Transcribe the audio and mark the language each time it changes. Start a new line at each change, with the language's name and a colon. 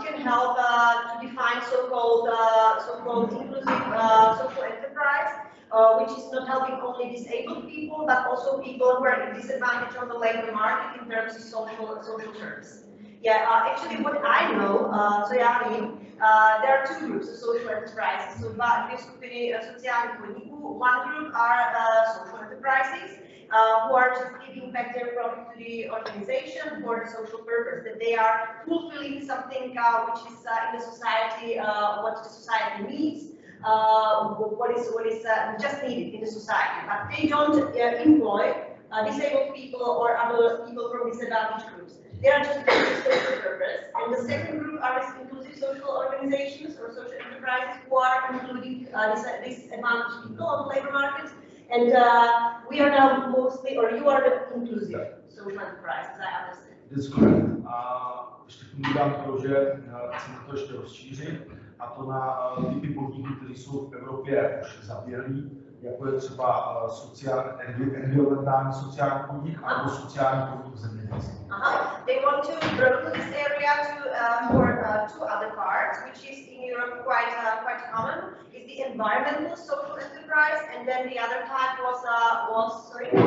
English: It can help to define so-called inclusive social enterprise, which is not helping only disabled people, but also people who are disadvantaged on the labor market in terms of social terms. Yeah, actually, what I know, there are two groups of social enterprises.
Czech: So, dvě skupiny sociálních podniků.
English: One group are social enterprises. Who are just giving back their profit to the organization for the social purpose, that they are fulfilling something which is in the society, what the society needs, what is just needed in the society. But they don't employ disabled people or other people from disadvantaged groups. They are just giving social purpose. And the second group are inclusive social organizations or social enterprises who are including disadvantaged people on the labor market. And we are now mostly, or you are the inclusive social enterprise, as I understand. That's correct.
Czech: A ještě k tomu dám to, že chceme to ještě rozšířit, a to na typy podniků, které jsou v Evropě už zavělí, jako je třeba environmentální sociální podnik, nebo sociální podnik zemědělství.
English: Aha, they want to broaden this area to two other parts, which is in Europe quite common, is the environmental social enterprise, and then the other type was